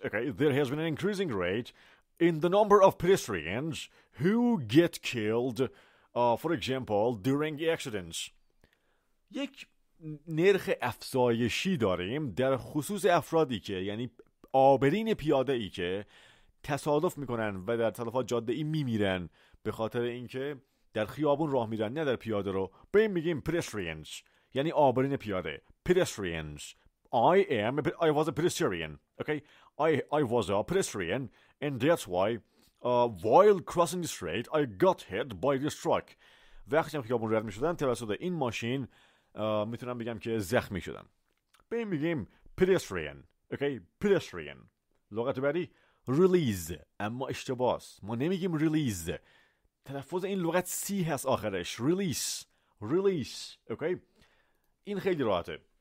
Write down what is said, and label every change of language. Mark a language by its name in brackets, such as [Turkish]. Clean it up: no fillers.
[English] Okay? there has been an increasing rate in the number of pedestrians who get killed, for example, during accidents. [Persian] یک نرخ افزایشی داریم در خصوص افرادی که، یعنی عابرین پیاده ای که تصادف میکنن و در تلفات جاده ای میمیرن به خاطر اینکه در خیابون راه میرن نه در پیاده رو. به این میگیم pedestrians، یعنی عابرین پیاده. [English] Pedestrians. I was a pedestrian. Okay. I was a pedestrian. And that's why, while crossing the street, I got hit by this truck. [Persian] وقتی هم خیابون رد می شدم، توسط این ماشین، میتونم بگم که زخمی شدم. به این میگیم pedestrian. [English] Okay, pedestrian. [Persian] لغت بعدی [English] release. [Persian] اما اشتباه است. ما نمیگیم release. تلفظ این لغت سی هست آخرش. [English] Release. Release. [Persian] Okay. این خیلی راحته.